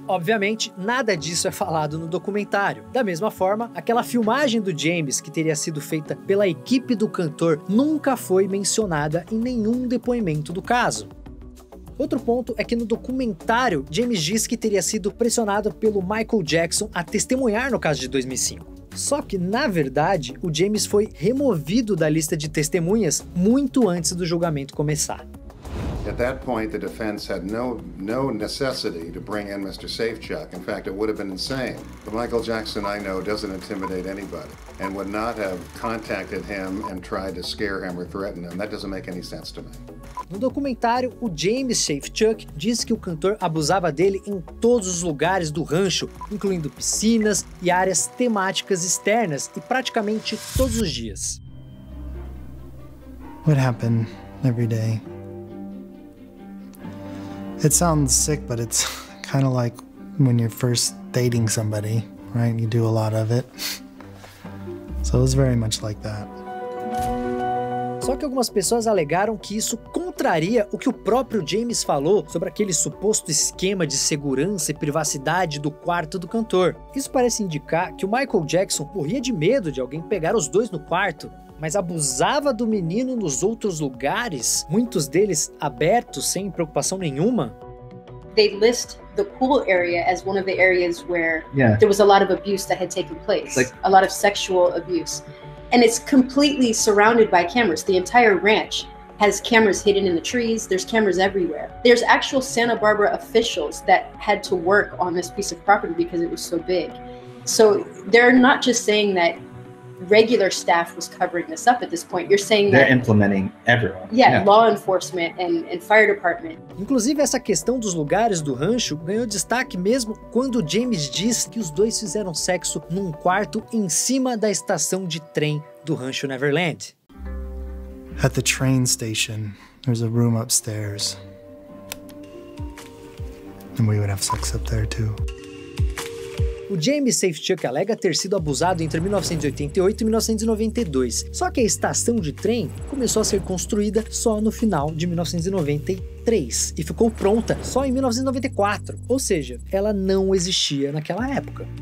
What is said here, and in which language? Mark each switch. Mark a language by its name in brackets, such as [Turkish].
[Portuguese] Obviamente, nada disso é falado no documentário. Da mesma forma, aquela filmagem do James, que teria sido feita pela equipe do cantor, nunca foi mencionada em nenhum depoimento do caso. Outro ponto é que no documentário, James diz que teria sido pressionado pelo Michael Jackson a testemunhar no caso de 2005. Só que, na verdade, o James foi removido da lista de testemunhas muito antes do julgamento começar. [English] At that point, the defense had no necessity to bring in Mr. Safechuck. In fact, it would have been insane. The Michael Jackson I know doesn't intimidate anybody and would not have contacted him and tried to scare him or threaten him. That doesn't make any sense to me. [Portuguese] No documentário, o James Safechuck diz que o cantor abusava dele em todos os lugares do rancho, incluindo piscinas e áreas temáticas externas, e praticamente todos os dias. [English] What happened every day? It sounds sick, but it's kind of like when you're first dating somebody, right? You do a lot of it. So it was very much like that. [Portuguese] Só que algumas pessoas alegaram que isso contraria o que o próprio James falou sobre aquele suposto esquema de segurança e privacidade do quarto do cantor. Isso parece indicar que o Michael Jackson morria de medo de alguém pegar os dois no quarto, mas abusava do menino nos outros lugares, muitos deles abertos, sem preocupação nenhuma. [English] They list the pool area as one of the areas where there was a lot of abuse that had taken place, like a lot of sexual abuse. And it's completely surrounded by cameras. The entire ranch has cameras hidden in the trees. There's cameras everywhere. There's actual Santa Barbara officials that had to work on this piece of property because it was so big. So they're not just saying that regular staff was covering this up at this point. You're saying they're implementing everyone. Yeah, law enforcement and fire department. [Portuguese] Inclusive, essa questão dos lugares do rancho ganhou destaque mesmo quando James diz que os dois fizeram sexo num quarto em cima da estação de trem do rancho Neverland. [English] At the train station, there's a room upstairs. And we would have sex up there too. [Portuguese] O James Safechuck alega ter sido abusado entre 1988 e 1992, só que a estação de trem começou a ser construída só no final de 1993 e ficou pronta só em 1994, ou seja, ela não existia naquela época.